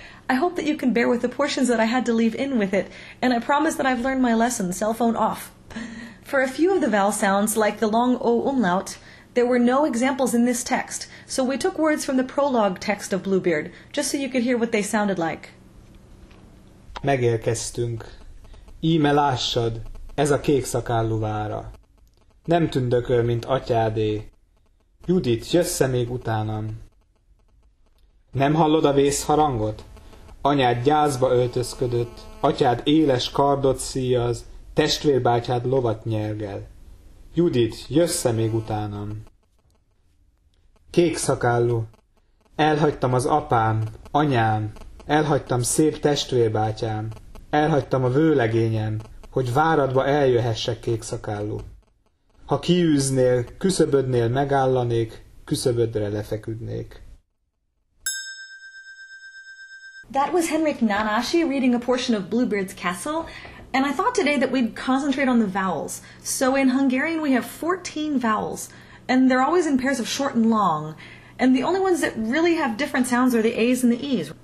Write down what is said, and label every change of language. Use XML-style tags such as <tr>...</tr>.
<en>I hope that you can bear with the portions that I had to leave in with it, and I promise that I've learned my lesson, cell phone off. For a few of the vowel sounds, like the long O umlaut, there were no examples in this text, so we took words from the prologue text of Bluebeard, just so you could hear what they sounded like.</en> <hu>Megérkeztünk. Íme lássad, ez a kékszakállú vára. Nem tündököl, mint atyádé. Judit, jössze még utánam. Nem hallod a vészharangot? Anyád gyászba öltözködött, atyád éles kardot szíjaz, testvérbátyád lovat nyergel. Judit, jössze még utánam. Kékszakállú, elhagytam az apám, anyám, elhagytam szép testvérbátyám, elhagytam a vőlegényem, hogy váradba eljöhessek, kékszakállú. Ha kiűznél, küszöbödnél megállanék, küszöbödre lefeküdnék.</hu> <en>That was Henrik Nanashi reading a portion of Bluebeard's Castle, and I thought today that we'd concentrate on the vowels. So in Hungarian we have 14 vowels, and they're always in pairs of short and long. And the only ones that really have different sounds are the A's and the E's.</en>